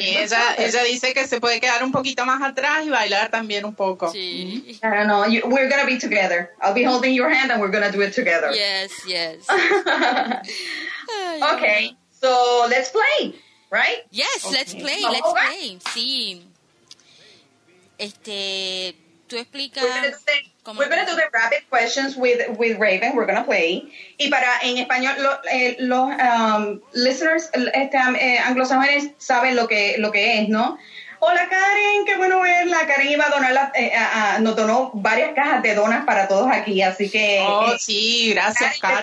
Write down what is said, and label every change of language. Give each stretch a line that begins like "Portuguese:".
Spanish: Y ella dice que se puede quedar un poquito más atrás y bailar también un poco. Sí.
English: Mm-hmm. I don't know. We're gonna be together. I'll be holding your hand and we're gonna do it together. Yes, yes. Okay, so let's play, right? Yes, okay. Let's play. Oh, let's play. Right. Sí.
Spanish: Tú explicas.
English: We're going to do the rapid questions with Raven. We're going to play.
Spanish: Y para en español, listeners anglosajones saben lo que es, ¿no? Hola, Karen. Qué bueno verla. Karen iba a donar, nos donó varias cajas de donas para todos aquí. Así que... Oh, sí. Gracias, Karen.